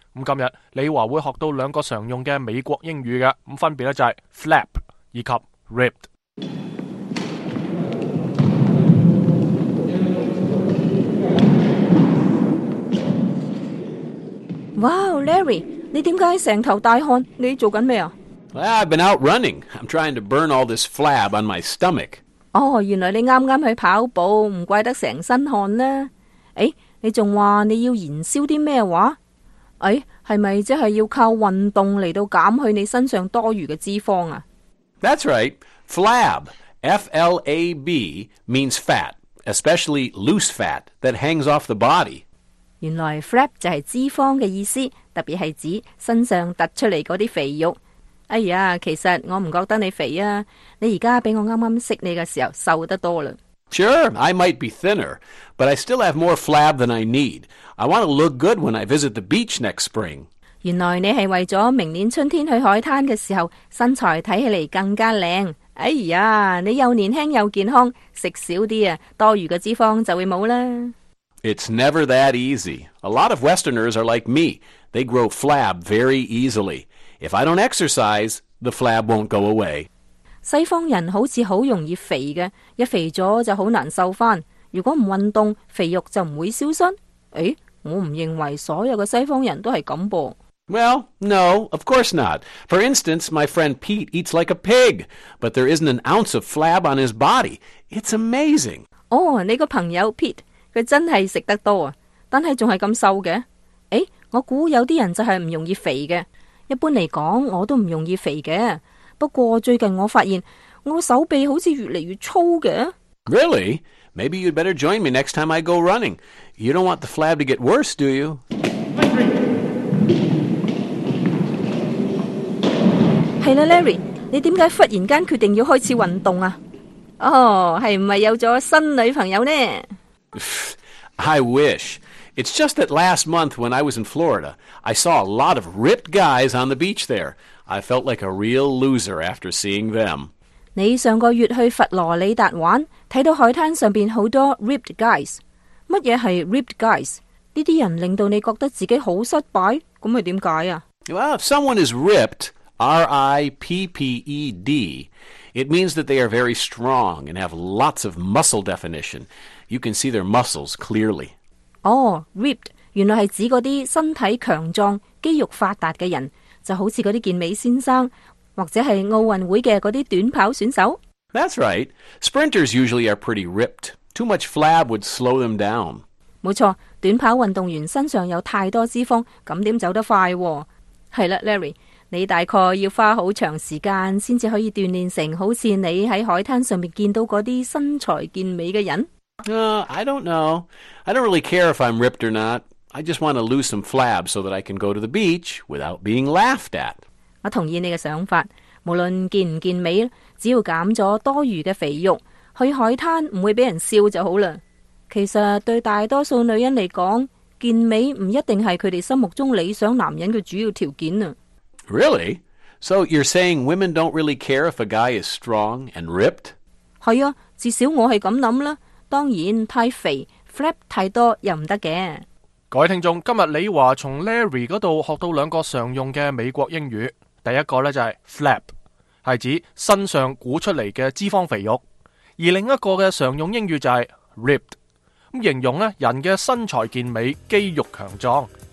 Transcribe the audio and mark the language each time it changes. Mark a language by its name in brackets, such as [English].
[Cantonese] 今日李华会学到两个常用的美国英语，分别就是 flap 以及 ripped。 Wow, Larry, 你点解成头大汗？你做紧咩啊？ [English] Well, I've been out running. I'm trying to burn all this flab on my stomach. [Cantonese] 哦，原来你啱啱去跑步，唔怪得成身汗啦。诶，你仲话你要燃烧啲咩话？诶，系咪即系要靠运动嚟到减去你身上多余嘅脂肪啊 [English] ？That's right. Flab, F-L-A-B, means fat, especially loose fat that hangs off the body. [Cantonese] 原来 flab 就系脂肪嘅意思，特别系指身上突出嚟嗰啲肥肉。哎呀，其实我唔觉得你肥啊！你而家比我啱啱识你嘅时候瘦得多啦。 [English] Sure, I might be thinner, but I still have more flab than I need. I want to look good when I visit the beach next spring. [Cantonese] 原来你系为咗明年春天去海滩嘅时候，身材睇起嚟更加靓。哎呀，你又年轻又健康，食少啲啊，多余嘅脂肪就会冇啦。 [English] It's never that easy. A lot of Westerners are like me. They grow flab very easily. If I don't exercise, the flab won't go away. [Cantonese] 西方人好似好容易肥嘅，一肥咗就好难瘦翻。如果唔运动，肥肉就唔会消失。诶，我唔认为所有嘅西方人都系咁噃。 [English] Well, no, of course not. For instance, my friend Pete eats like a pig, but there isn't an ounce of flab on his body. It's amazing. [Cantonese] 哦，你个朋友 Pete， 佢真系食得多啊，但系仲系咁瘦嘅。诶，我估有啲人就系唔容易肥嘅。一般嚟讲，我都唔容易肥嘅。不过最近我发现我手臂好似越嚟越粗嘅。 [English] Really? Maybe you'd better join me next time I go running. You don't want the flab to get worse, do you? [Cantonese] 系啦 ，Larry， 你点解忽然间决定要开始运动啊？哦，系唔系有咗新女朋友呢 [English] ？I wish. It's just that last month when I was in Florida, I saw a lot of ripped guys on the beach there. I felt like a real loser after seeing them. [Cantonese] 你上个月去佛罗里达玩，睇到海滩上边好多 ripped guys。乜嘢系 ripped guys？呢啲人令到你觉得自己好失败，咁系点解啊 [English] ？Well, if someone is ripped, R-I-P-P-E-D, it means that they are very strong and have lots of muscle definition. You can see their muscles clearly. [Cantonese] 哦、oh, ，ripped 原来系指嗰啲身体强壮、肌肉发达嘅人，就好似嗰啲健美先生，或者系奥运会嘅嗰啲短跑选手。 [English] That's right. Sprinters usually are pretty ripped. Too much flab would slow them down. [Cantonese] 冇错，短跑运动员身上有太多脂肪，咁点走得快、啊？系啦 ，Larry， 你大概要花好长时间先至可以锻炼成好似你喺海滩上面见到嗰啲身材健美嘅人。 [English] I don't know. I don't really care if I'm ripped or not. I just want to lose some flab so that I can go to the beach without being laughed at. [Cantonese] 我同意你嘅想法，无论健唔健美，只要减咗多余嘅肥肉，去海滩唔会俾人笑就好啦。其实对大多数女人嚟讲，健美唔一定系佢哋心目中理想男人嘅主要条件啊。 [English] Really? So you're saying women don't really care if a guy is strong and ripped? [Cantonese] 系啊，至少我系咁谂啦。当然太肥 ，flap 太多又唔得嘅。各位听众，今日李华从 Larry 嗰度学到两个常用嘅美国英语。第一个咧就系 flap， 系指身上鼓出嚟嘅脂肪肥肉；而另一个嘅常用英语就系 ripped， 咁形容人嘅身材健美、肌肉强壮。